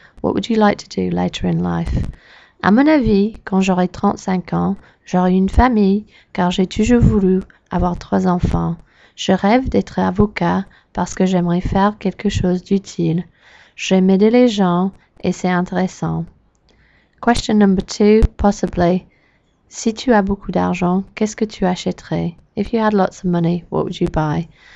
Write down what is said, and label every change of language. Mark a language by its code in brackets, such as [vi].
[en] What would you like to do later in life? [fr] À mon avis, quand j'aurai 35 ans, j'aurai une famille car j'ai toujours voulu avoir 3 enfants. Je rêve d'être avocat parce que j'aimerais faire quelque chose d'utile. J'aime aider les gens et c'est intéressant. [en] Question number two, possibly. [fr] Si tu as beaucoup d'argent, qu'est-ce que tu achèterais? [en] If you had lots of money, what would you buy?